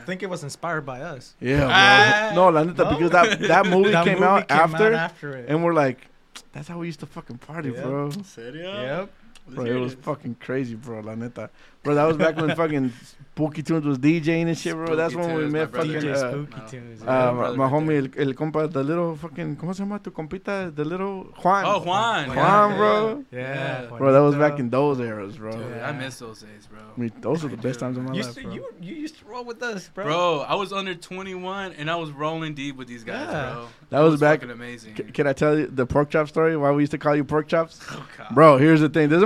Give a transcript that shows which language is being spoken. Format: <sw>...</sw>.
<en>I think it was inspired by us. Yeah, bro. No, because that movie came out after it. And we're like, that's how we used to fucking party, yep. Bro.</en> <es>Serio?</es> <en>Yep. Bro, it was fucking crazy, bro,</en> <es>la neta.</es> <en>Bro, that was back when fucking Spooky Tunes was DJing and shit, bro. Spooky That's when Tunes, we met fucking DJ Spooky no. Tunes. My homie,</en> <es>el compa,</es> <en>the little fucking,</en> <es>¿cómo se llama tu compita?</es> <en>The little Juan. Oh, Juan. Juan, bro. Yeah. Bro, that was back in those eras, bro. Dude, yeah. I miss those days, bro. I mean, those were the best times of my life, bro. You used to roll with us, bro. Bro, I was under 21, and I was rolling deep with these guys, yeah. Bro. That was back. Fucking amazing. Can I tell you the pork chop story? Why we used to call you pork chops? Oh, bro, here's the thing.</en>